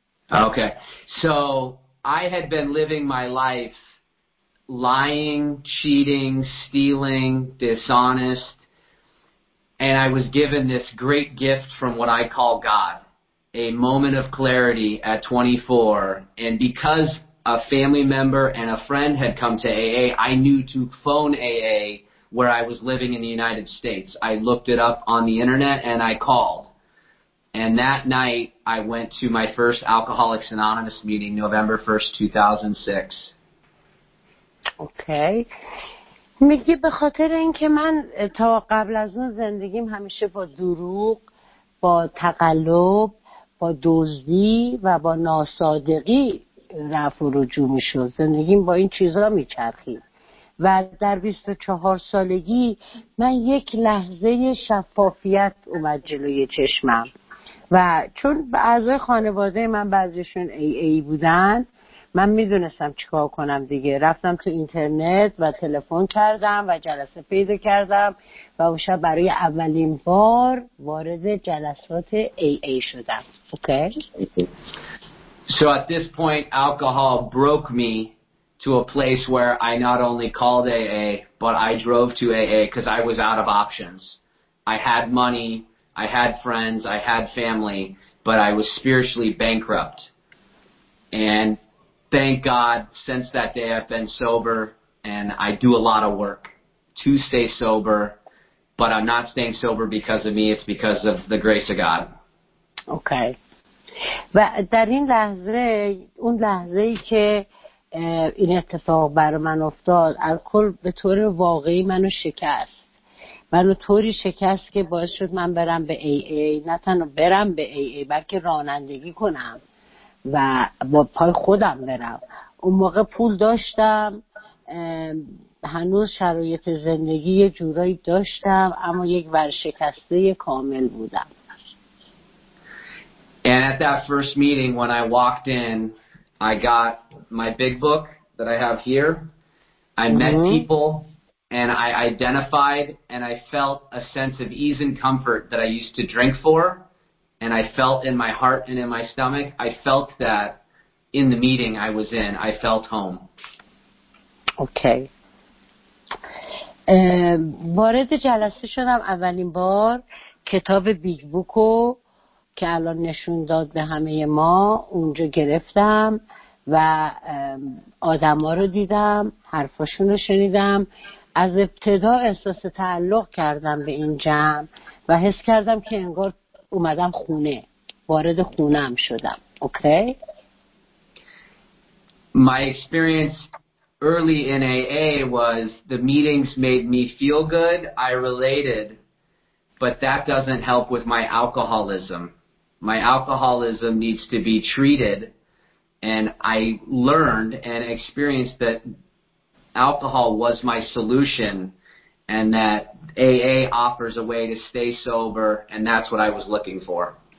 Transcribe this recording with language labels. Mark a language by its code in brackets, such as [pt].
[en] Okay so I had been living my life lying cheating stealing dishonest and I was given this great gift from what I call God a moment of clarity at 24 and because a family member and a friend had come to AA. I knew to phone AA where I was living in the United States. I looked it up on the internet and I called. And that night I went to my first Alcoholics Anonymous meeting, November 1st, 2006. Okay. [fa] میگه به خاطر اینکه من تا قبل از اون زندگیم همیشه با دروغ، با تقلب، با دزدی و با ناصادقی رفع و رجوع می شد زندگیم با این چیزها می چرخید و در 24 سالگی من یک لحظه شفافیت اومد جلوی چشمم و چون اعضای خانواده من بعضیشون AA بودن من می دونستم چیکار کنم دیگه رفتم تو اینترنت و تلفن کردم و جلسه پیدا کردم و اون شب برای اولین بار وارد جلسات AA شدم اوکی؟ [en] So at this point, alcohol broke me to a place where I not only called AA, but I drove to AA because I was out of options. I had money, I had friends, I had family, but I was spiritually bankrupt. And thank God, since that day, I've been sober, and I do a lot of work to stay sober, but I'm not staying sober because of me. It's because of the grace of God. Okay. [fa] و در این لحظه اون لحظه‌ای که این اتفاق برای من افتاد الکل به طور واقعی منو شکست منو طوری شکست که باعث شد من برم به AA نه تنها برم به AA بلکه رانندگی کنم و با پای خودم برم اون موقع پول داشتم هنوز شرایط زندگی یه جورایی داشتم اما یک ورشکسته کامل بودم [en] And at that first meeting, when I walked in, I got my big book that I have here. I met people, and I identified, and I felt a sense of ease and comfort that I used to drink for, and I felt in my heart and in my stomach, I felt that in the meeting I was in, I felt home. Okay. [fa] وارد جلسه شدم اولین بار کتاب بیگ بوکو که الان نشون داد به همه ما اونجا گرفتم و آدم ها رو دیدم حرفاشون رو شنیدم از ابتدا احساس تعلق کردم به این جمع و حس کردم که انگار اومدم خونه وارد خونم شدم اوکی؟ [en] My experience early in AA was the meetings made me feel good, I related, but that doesn't help with my alcoholism. My alcoholism needs to be treated, and I learned and experienced that alcohol was my solution, and that AA offers a way to stay sober, and that's what I was looking for.